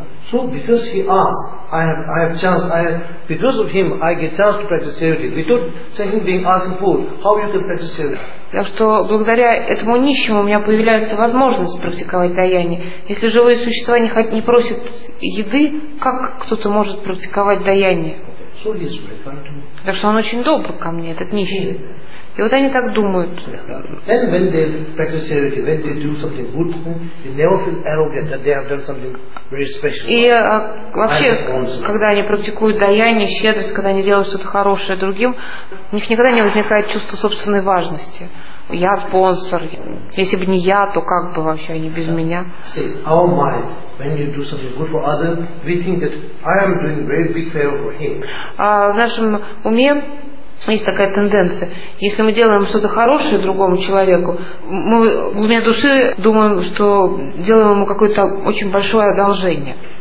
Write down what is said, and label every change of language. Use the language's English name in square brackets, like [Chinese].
[English] So because he asked, I have because of him I get chance to practice charity. Without saying being asking food, how you can practice charity? [Russian] Так что благодаря этому нищему у меня появляется возможность практиковать даяние. Если живые существа не просят еды, как кто-то может практиковать даяние? [English] So he's right, right? [Russian] Так что он очень добр ко мне, этот нищий. Yeah. И вот они так думают. [English] And when they practice charity, when they do something good, they never feel arrogant that they have done something very special. [Russian] И вообще, когда они практикуют даяние, щедрость, когда они делают что-то хорошее другим, у них никогда не возникает чувство собственной важности. Я спонсор. Если бы не я, то как бы вообще они без меня? [English] See, our mind, when you do something good for others, we think that I am doing very big favor for him. [Russian] В нашем уме есть такая тенденция. Если мы делаем что-то хорошее другому человеку, мы в глубине души думаем, что делаем ему какое-то очень большое одолжение.